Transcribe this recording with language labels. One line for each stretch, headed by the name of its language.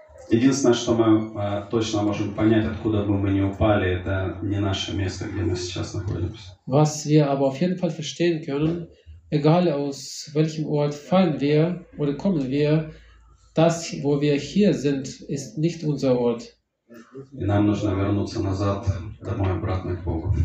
Russian: Единственное, что мы точно можем понять, откуда бы мы ни упали, это не наше место, где мы сейчас находимся.
German: Was wir aber auf jeden Fall verstehen können, egal aus welchem Ort fallen wir oder kommen wir, das, wo wir hier sind, ist nicht unser Ort.
Russian: И нам нужно вернуться назад домой обратно к Богу.